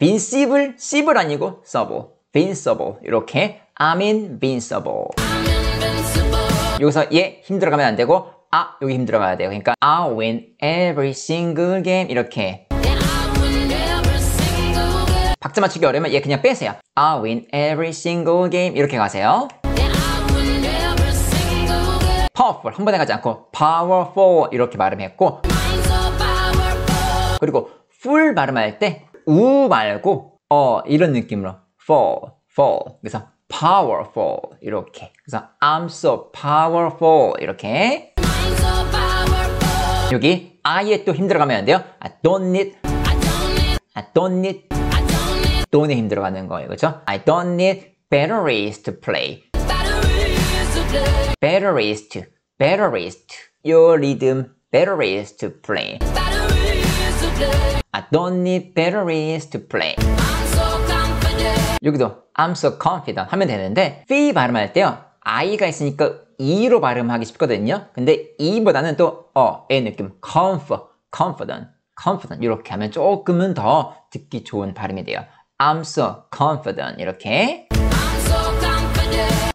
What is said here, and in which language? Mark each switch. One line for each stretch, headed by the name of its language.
English: Vincible, civil
Korean: 아니고
English: civil.
Korean: Vincible 이렇게
English: I'm invincible.
Korean: 여기서 예 힘들어가면 안 되고 아, 여기 힘들어가야 돼요. 그러니까
English: I'll win every single game
Korean: 이렇게.
English: Yeah, I'll win every single game.
Korean: 박자 맞추기 어려우면 얘 그냥 빼세요.
English: I'll win every single game
Korean: 이렇게 가세요.
English: Yeah, I'll win every single game.
Korean: Powerful 한 번에 가지 않고 Powerful 이렇게 발음했고
English: so powerful.
Korean: 그리고 full 발음할 때 우 말고 어 이런 느낌으로 fall, fall 그래서 powerful 이렇게 그래서
English: I'm so powerful
Korean: 이렇게 so powerful. 여기 아예 또 힘들어가면 안 돼요.
English: I don't need, I don't need, I don't need, I don't need.
Korean: 돈에 힘들어가는 거예요, 그렇죠?
English: I don't need batteries to play. Batteries to play. Batteries to, batteries to. Your rhythm, batteries to play. Batteries to play. I don't need batteries to play. I'm so confident.
Korean: 여기도
English: I'm so confident
Korean: 하면 되는데 V 발음할 때요 I가 있으니까 E로 발음하기 쉽거든요. 근데 E보다는 또 어의 느낌 comfort, confident, confident 이렇게 하면 조금은 더 듣기 좋은 발음이 돼요.
English: I'm so confident
Korean: 이렇게
English: I'm so confident.